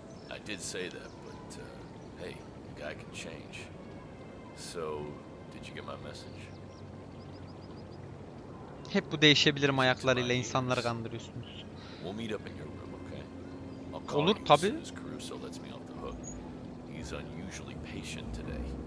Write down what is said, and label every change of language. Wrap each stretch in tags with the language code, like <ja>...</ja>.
<en>I did say that, but hey, a guy can change. So, did you get my message?</en> <tr>Hep bu değişebilirim ayaklarıyla insanları kandırıyorsunuz.</tr> <en>We'll meet up in your room, okay?</en> <tr>Olur tabi.</tr> <en>Caruso lets me off the hook. He's unusually patient today.</en>